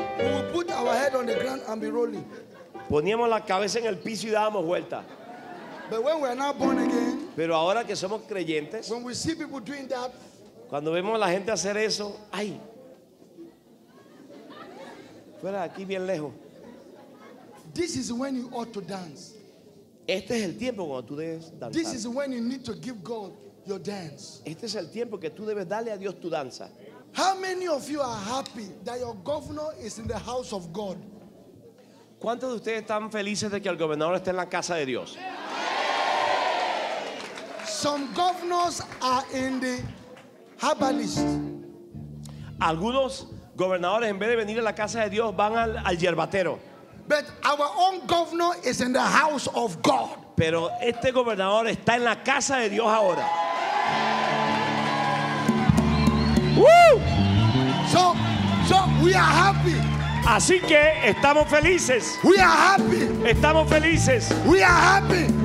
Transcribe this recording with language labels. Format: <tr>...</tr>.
<en>We would put our head on the ground and be rolling.</en> <es>Poníamos la cabeza en el piso y dábamos vuelta.</es> <en>But when we are not born again.</en> <es>Pero ahora que somos creyentes.</es> <en>When we see people doing that.</en> <es>Cuando vemos a la gente hacer eso, ay. Fuera de aquí bien lejos.</es> <en>This is when you ought to dance.</en> <es>Este es el tiempo cuando tú debes danzar.</es> <en>This is when you need to give God your dance.</en> <es>Este es el tiempo que tú debes darle a Dios tu danza.</es> <en>How many of you are happy that your governor is in the house of God?</en> <es>¿Cuántos de ustedes están felices de que el gobernador esté en la casa de Dios?</es> <en>Some governors are in the herbalist.</en> <es>Algunos gobernadores, en vez de venir a la casa de Dios, van al yerbatero.</es> <en>But our own governor is in the house of God.</en> <es>Pero este gobernador está en la casa de Dios ahora.</es> <en>Woo! So we are happy.</en> <es>Así que estamos felices.</es> <en>We are happy.</en> <es>Estamos felices.</es> <en>We are happy.</en>